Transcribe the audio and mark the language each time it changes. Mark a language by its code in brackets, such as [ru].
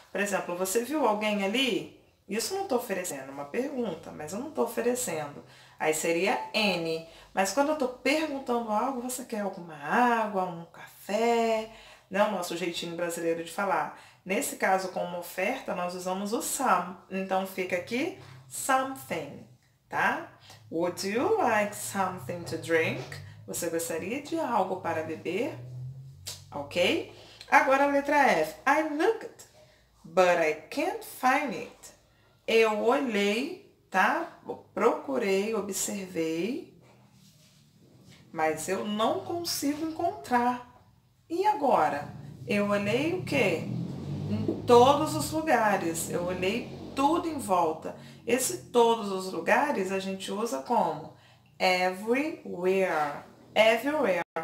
[pt] Por exemplo, você viu alguém ali? Isso eu não estou oferecendo, é uma pergunta, mas eu não estou oferecendo. Aí seria N. Mas quando eu estou perguntando algo, você quer alguma água, um café? Não, o nosso jeitinho brasileiro de falar. Nesse caso, como oferta, nós usamos o some. Então fica aqui something, tá? [en] Would you like something to drink? [pt] Você gostaria de algo para beber? Ok? Agora a letra F. [en] I looked, but I can't find it. [pt] Eu olhei, tá? Procurei, observei, mas eu não consigo encontrar. E agora? Eu olhei o quê? Em todos os lugares. Eu olhei tudo em volta. Esse todos os lugares a gente usa como? Everywhere. Everywhere.